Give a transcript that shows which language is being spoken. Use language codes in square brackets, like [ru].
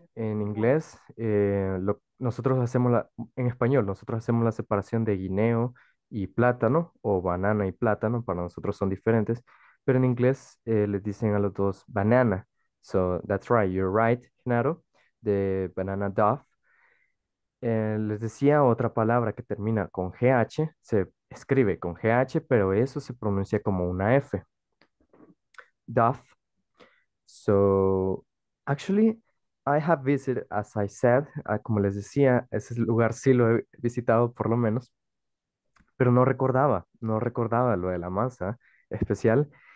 [es] En inglés, en español, nosotros hacemos la separación de guineo y plátano, o banana y plátano, para nosotros son diferentes, pero en inglés les dicen a los dos banana. [en] So, that's right, you're right, Genaro, de banana duff. [es] Les decía otra palabra que termina con GH, se escribe con GH, pero eso se pronuncia como una F. Duff. [en] So, actually, I have visited, as I said, [es] como les decía, ese lugar sí lo he visitado por lo menos, pero no recordaba lo de la masa especial.